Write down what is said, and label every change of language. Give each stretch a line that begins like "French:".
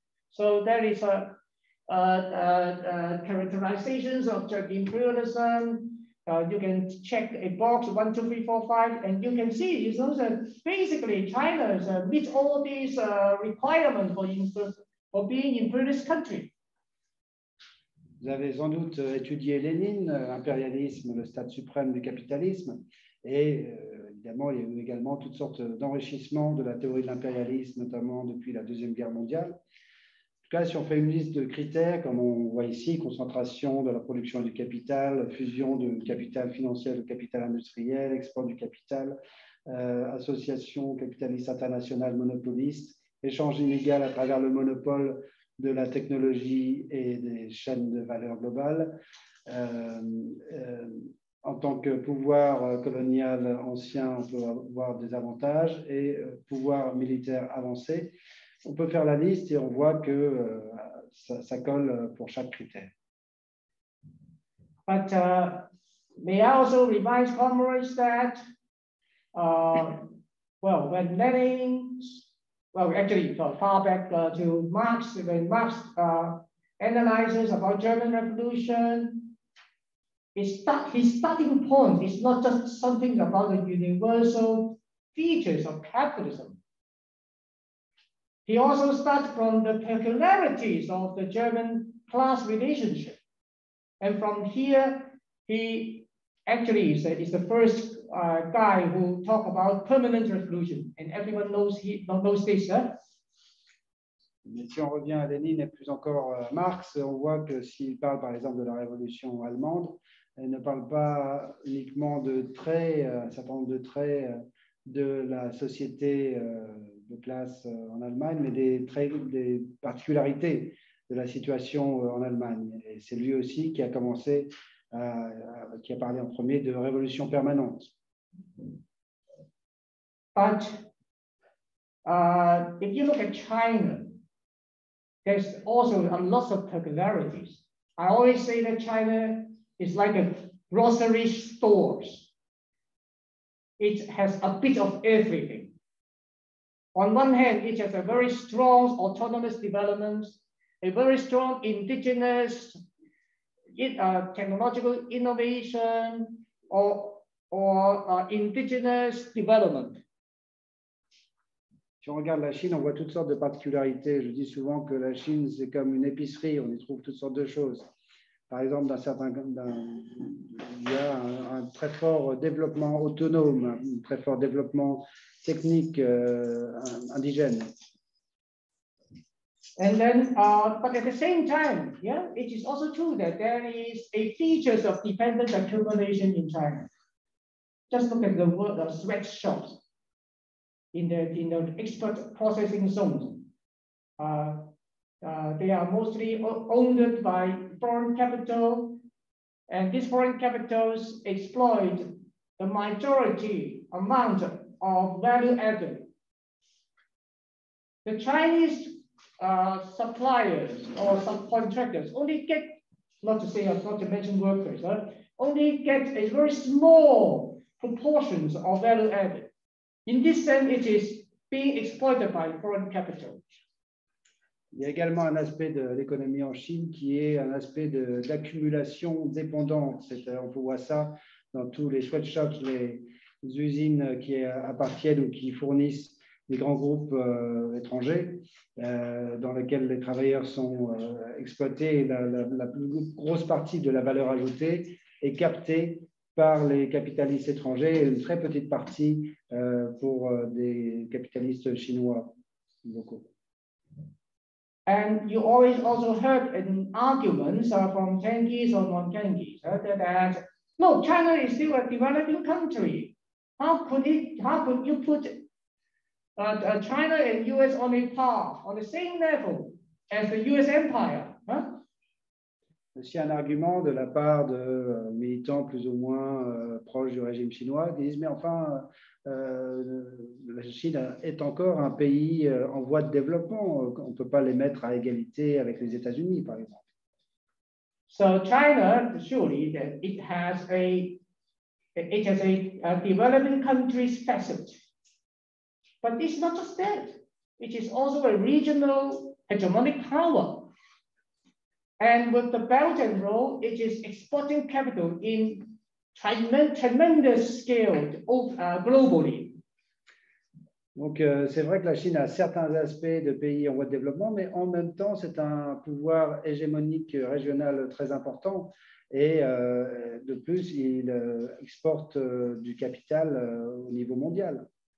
English: So there is a characterizations of imperialism, you can check a box 1, 2, 3, 4, 5, and you can see it's also basically China meets all these requirements for being in British country.
French: Vous avez sans doute étudié Lénine, l'impérialisme, le stade suprême du capitalisme, et évidemment, il y a eu également toutes sortes d'enrichissements de la théorie de l'impérialisme, notamment depuis la Deuxième Guerre mondiale. En tout cas, si on fait une liste de critères, comme on voit ici, concentration de la production du capital, fusion du capital financier, du capital industriel, export du capital, association capitaliste internationale monopoliste, échange inégal à travers le monopole de la technologie et des chaînes de valeur globales, en tant que pouvoir colonial ancien, on peut avoir des avantages et pouvoir militaire avancé. On peut faire la liste et on voit que ça colle pour chaque critère.
English: But may I also remind comrades that, well, when Lenin, well, actually, far back to Marx, when Marx analyzes about German Revolution. His starting point is not just something about the universal features of capitalism. He also starts from the peculiarities of the German class relationship. And from here, he actually is the first guy who talk about permanent revolution. And everyone knows this, huh?
French: Mais si on revient à Lénine et plus encore à Marx, on voit que s'il parle par exemple de la révolution allemande, elle ne parle pas uniquement de traits, un certain nombre de traits de la société de classe en Allemagne, mais des traits, des particularités de la situation en Allemagne. Et c'est lui aussi qui a commencé, qui a parlé en premier de révolution permanente.
English: But if you look at China, there's also a lot of peculiarities. I always say that China is like a grocery store. It has a bit of everything. On one hand, it has a very strong autonomous development, a very strong indigenous technological innovation or indigenous development.
French: Si on regarde la Chine, on voit toutes sortes de particularités. Je dis souvent que la Chine, c'est comme une épicerie, on y trouve toutes sortes de choses. Par exemple, il y a un très fort développement autonome, un très fort développement technique indigène.
English: And then, but at the same time, yeah, it is also true that there is a features of dependent accumulation in China. Just look at the world of sweatshops in the export processing zones. They are mostly owned by foreign capital, and these foreign capitals exploit the majority amount of value added. The Chinese suppliers or subcontractors only get, only get a very small proportions of value added. In this sense, it is being exploited by foreign capital.
French: Il y a également un aspect de l'économie en Chine qui est un aspect d'accumulation dépendante. C'est-à-dire, on voit ça dans tous les sweatshops, les usines qui appartiennent ou qui fournissent des grands groupes étrangers dans lesquels les travailleurs sont exploités. La plus grosse partie de la valeur ajoutée est captée par les capitalistes étrangers et une très petite partie pour des capitalistes chinois locaux.
English: And you always also heard an argument from Chinese or non-Chinese that no, China is still a developing country. How could you put China and US on a par, on the same level as the US Empire? Huh?
French: Aussi un argument de la part de militants plus ou moins proches du régime chinois qui disent, mais enfin, la Chine est encore un pays en voie de développement. On ne peut pas les mettre à égalité avec les États-Unis, par exemple.
English: So China, surely, it has a developing country's facet. But it's not just that. It is also a regional hegemonic power. And with the Belt and Road, it is exporting capital in tremendous scale globally.
French: Donc, c'est vrai que la Chine a certains aspects de pays en voie de développement, mais en même temps, c'est un pouvoir hégémonique régional très important. Et de plus, il exporte du capital au niveau mondial.